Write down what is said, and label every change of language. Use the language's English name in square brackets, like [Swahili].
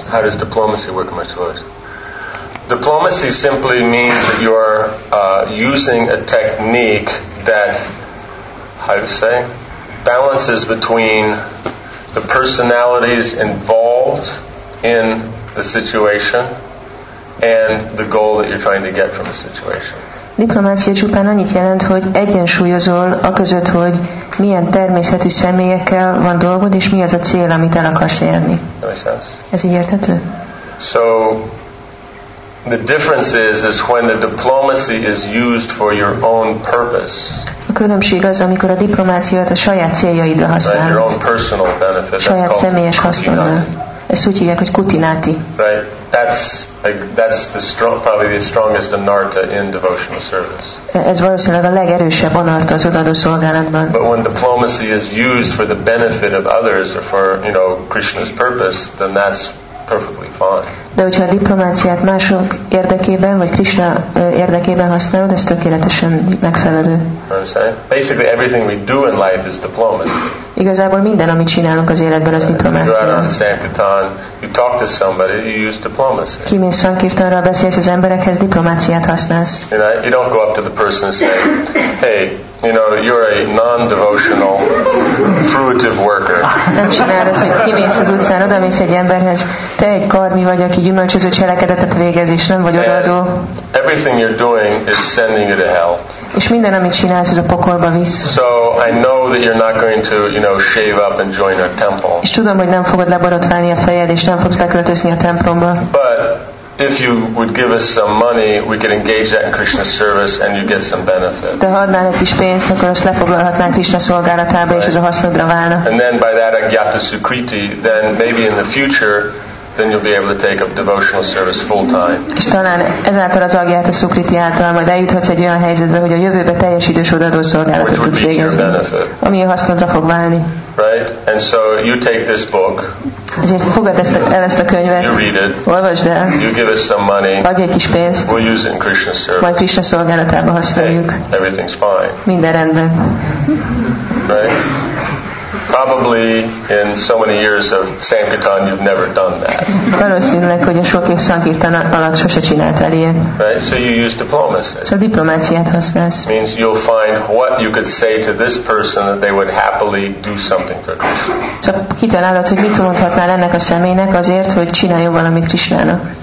[English] How does diplomacy work amongst devotees? Diplomacy simply means that you're using a technique that, how do you say, balances between the personalities involved in the situation and the goal that you're trying to get from the situation. [Hungarian] Diplomácia csupán annyit jelent, hogy egyensúlyozol a között, hogy milyen természetű személyekkel van dolgod, és mi az a cél, amit el akarsz érni. Ez így érthető? [English] So, the difference is when the diplomacy is used for your own purpose. [Hungarian] A különbség az, amikor a diplomáciát a saját céljaidra használod. [English] Right, your own personal benefit. [Hungarian] Saját személyes hasznodra. Ezt úgy hívják, hogy kutinati. [English] Right, that's the strong, probably the strongest anartha in devotional service. [Hungarian] Ez valószínűleg a legerősebb anartha az odaadó szolgálatban. [English] But when diplomacy is used for the benefit of others or for, you know, Krishna's purpose, then that's perfectly fine. [Hungarian] De hogyha a diplomáciát mások érdekében vagy Krishna érdekében használod, ez tökéletesen megfelelő. [English] Basically everything we do in life is diplomacy. [Hungarian] Igazából minden, amit csinálunk az életben, az diplomácia. [English] You go out on Sankirtan, you talk to somebody, you use diplomacy. [Hungarian] Kimész Sankirtanra, beszélsz az emberekhez, diplomáciát használsz. [English] You know, you don't go up to the person and say, hey, you know, you're a non-devotional fruitive worker. [Hungarian] Nem csinálod azt, hogy kimész az utcán, odamész egy emberhez, te egy karmi vagy, aki gyümölcsöző cselekedetet végez, és nem vagy odaadó. [English] Everything you're doing is sending you to hell. [Hungarian] És minden, amit csinálsz, az a pokolba visz. [English] So I know that you're not going to, you know, shave up and join our temple. [Hungarian] És tudom, hogy nem fogod leborotválni a fejed, és nem fogsz beköltözni a templomba. [English] But if you would give us some money, we could engage that in Krishna service and you get some benefit. [Hungarian] De ha adnál egy kis pénzt, akkor azt lefoglalhatnánk Krishna szolgálatába, és ez a hasznodra válna. [English] And then by that agyata sukriti, then maybe in the future, then you'll be able to take up devotional service full time. [Hungarian] És talán ezáltal az agyata sukriti által majd eljuthatsz egy olyan helyzetbe, hogy a jövőben teljes idős odaadó szolgálatot tudsz végezni. Ami a hasznodra fog válni. [English] Right? And so you take this book. [Hungarian] Ezért fogad ezt el ezt a könyvet. [English] You read it. [Hungarian] Olvasd el. [English] You give us some money. [Hungarian] Adj egy kis pénzt. [English] We'll use it in Krishna service. [Hungarian] Majd Krishna szolgálatában használjuk. [English] Hey, everything's fine. [Hungarian] Minden rendben. [English] Right? Probably in so many years of Sankirtan you've never done that. [Hungarian] Valószínűleg, hogy a sok év Sankirtan alatt sose csináltál ilyet. [English] Right, so you use diplomacy. [Hungarian] Szóval diplomáciát használsz. [English] Means you'll find what you could say to this person that they would happily do something for Krishna. [Hungarian] Szóval kitalálod, hogy mit mondhatnál ennek a személynek azért, hogy csináljon valamit Krishnának.